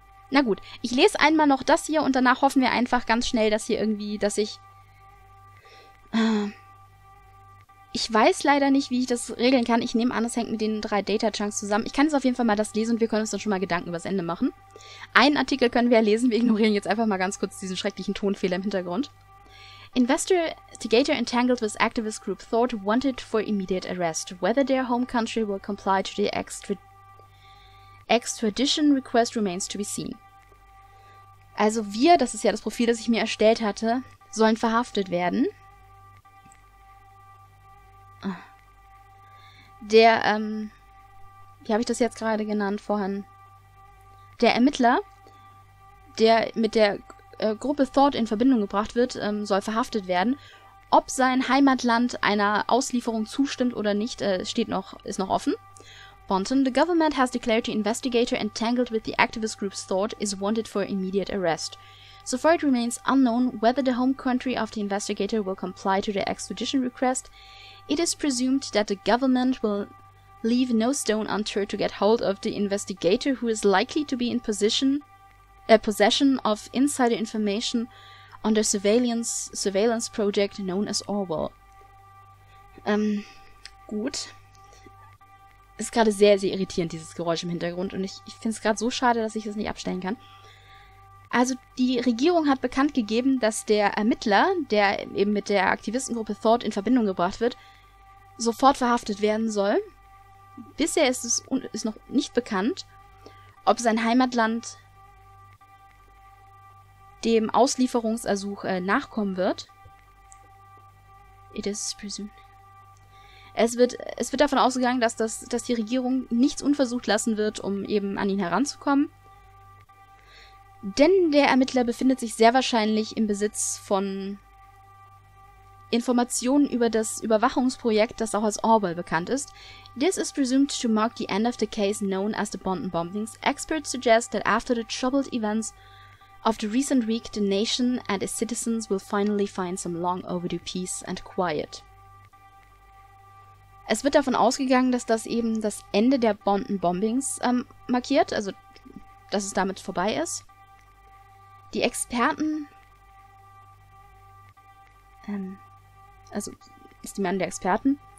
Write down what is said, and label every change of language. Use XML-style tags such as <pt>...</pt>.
<de>Na gut, ich lese einmal noch das hier und danach hoffen wir einfach ganz schnell, dass hier irgendwie, dass ich... Ich weiß leider nicht, wie ich das regeln kann. Ich nehme an, es hängt mit den drei Data-Chunks zusammen. Ich kann jetzt auf jeden Fall mal das lesen und wir können uns dann schon mal Gedanken übers Ende machen. Einen Artikel können wir ja lesen. Wir ignorieren jetzt einfach mal ganz kurz diesen schrecklichen Tonfehler im Hintergrund.</de> <en>Investigator entangled with activist group thought wanted for immediate arrest. Whether their home country will comply to the extradition request remains to be seen.</en> <de>Also wir, das ist ja das Profil, das ich mir erstellt hatte, sollen verhaftet werden. Wie habe ich das jetzt gerade genannt vorhin? Der Ermittler, der mit der Gruppe Thought in Verbindung gebracht wird, soll verhaftet werden. Ob sein Heimatland einer Auslieferung zustimmt oder nicht, ist noch offen.</de> <en>Bonten, the government has declared the investigator entangled with the activist group's Thought is wanted for immediate arrest. So far it remains unknown whether the home country of the investigator will comply to the extradition request. It is presumed that the government will leave no stone unturned to get hold of the investigator, who is likely to be in possession of insider information on the surveillance project known as Orwell.</en> <de>Gut. Es ist gerade sehr, sehr irritierend, dieses Geräusch im Hintergrund. Und ich finde es gerade so schade, dass ich es nicht abstellen kann. Also die Regierung hat bekannt gegeben, dass der Ermittler, der eben mit der Aktivistengruppe Thought in Verbindung gebracht wird, sofort verhaftet werden soll. Bisher ist noch nicht bekannt, ob sein Heimatland dem Auslieferungsersuch nachkommen wird.</de> <en>It is presumed.</en> <de>Es wird davon ausgegangen, dass die Regierung nichts unversucht lassen wird, um eben an ihn heranzukommen. Denn der Ermittler befindet sich sehr wahrscheinlich im Besitz von Informationen über das Überwachungsprojekt, das auch als Orwell bekannt ist.</de> <en>This is presumed to mark the end of the case known as the Bonton Bombings. Experts suggest that after the troubled events of the recent week, the nation and its citizens will finally find some long overdue peace and quiet.</en> <de>Es wird davon ausgegangen, dass das eben das Ende der Bonton Bombings markiert, also dass es damit vorbei ist. Die Experten, ist die Meinung der Experten.</de>